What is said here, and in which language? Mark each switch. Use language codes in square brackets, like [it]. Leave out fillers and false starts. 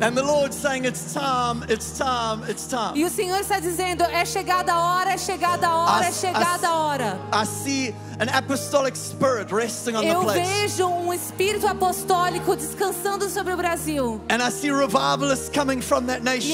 [en] And the Lord saying it's time, it's time, it's time. [pt] E o Senhor está dizendo, é chegada a hora, é chegada a hora, é chegada a hora. [en] I see an apostolic spirit resting on the place. [pt] Eu vejo espírito apostólico descansando sobre o Brasil. [en] And I see revivalists coming from that nation.